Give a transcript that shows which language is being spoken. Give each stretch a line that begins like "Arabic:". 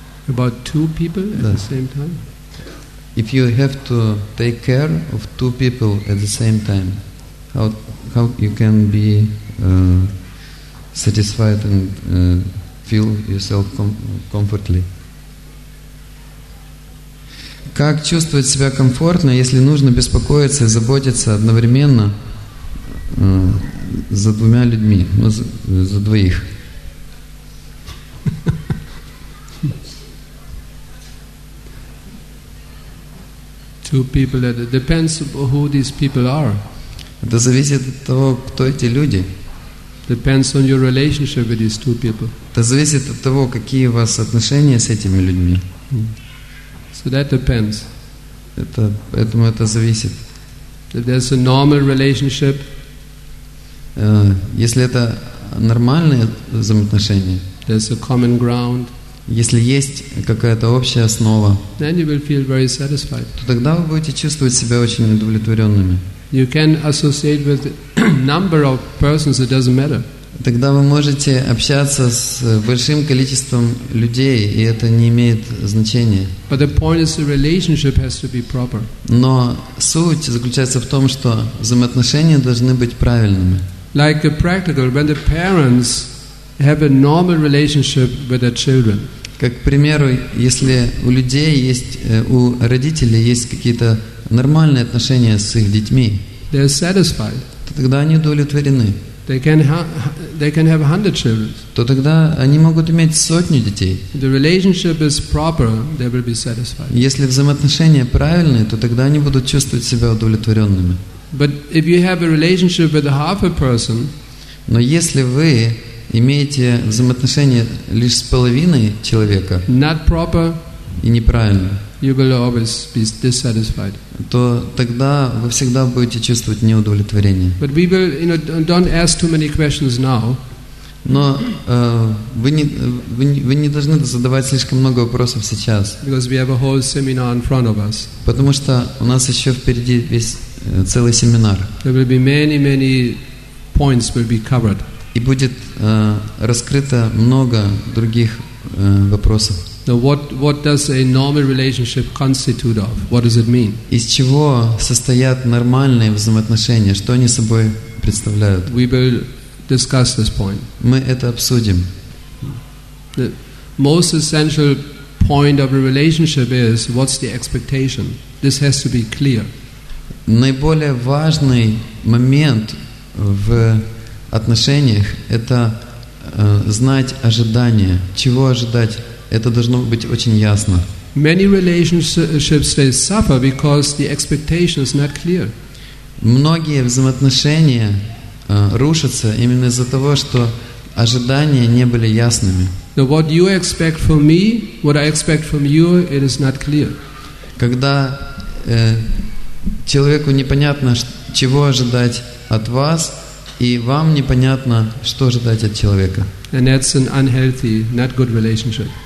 English: About two people at the same time? If you have to take care of two people at the same time, how you can be satisfied and feel yourself comfortably?
Russian: Как чувствовать себя комфортно, если нужно беспокоиться и заботиться одновременно за двумя людьми, ну, за двоих?
English: Two people, it depends who these people are.
Russian: Это зависит от того, кто эти люди.
English: Depends on your relationship with these two people.
Russian: Это зависит от того, какие у вас отношения с этими людьми.
English: So that depends.
Russian: Это, поэтому это зависит.
English: If there's a normal relationship,
Russian: если это нормальные взаимоотношения,
English: there's a common ground,
Russian: если есть какая-то общая основа,
English: then you will feel very satisfied.
Russian: То тогда вы будете чувствовать себя очень удовлетворенными.
English: You can associate with number of persons, it doesn't matter.
Russian: Тогда вы можете общаться с большим количеством людей, и это не имеет значения.
English: But the point is, the relationship has to be proper.
Russian: Но суть заключается в том, что взаимоотношения должны быть правильными.
English: Like a practical, when the parents have a normal relationship with their children.
Russian: Как, к примеру, если у людей есть, у родителей есть какие-то нормальные отношения с их детьми,
English: they are satisfied.
Russian: То тогда они удовлетворены.
English: They can have 100 children.
Russian: То тогда они могут иметь сотню детей.
English: The relationship is proper, they will be satisfied.
Russian: Если взаимоотношения правильные, то тогда они будут чувствовать себя удовлетворенными.
English: But if you have a relationship with half a person,
Russian: но если вы имеете взаимоотношения лишь с половиной человека,
English: not proper,
Russian: и неправильно,
English: you will always be dissatisfied.
Russian: То тогда вы всегда будете чувствовать неудовлетворение.
English: But we will, you know, don't ask too many questions now.
Russian: Но вы не должны задавать слишком много вопросов сейчас.
English: Because we have a whole seminar in front of us.
Russian: Потому что у нас еще впереди весь целый семинар.
English: There will be many, many points will be covered.
Russian: И будет раскрыто много других вопросов.
English: Now what does a normal relationship constitute of? What does it mean?
Russian: Из чего состоят нормальные взаимоотношения? Что они собой представляют?
English: We will discuss this point.
Russian: Мы это обсудим.
English: The most essential point of a relationship is what's the expectation? This has to be clear.
Russian: Наиболее важный момент в отношениях это знать ожидания. Чего ожидать? Это должно быть очень ясно.
English: Many relationships they suffer because the expectation is not clear.
Russian: Многие взаимоотношения рушатся именно из-за того, что ожидания не были ясными.
English: Now what you expect from me, what I expect from you, it is not clear.
Russian: Когда человеку непонятно, чего ожидать от вас, и вам непонятно, что ожидать от человека.
English: And that's an unhealthy, not good relationship.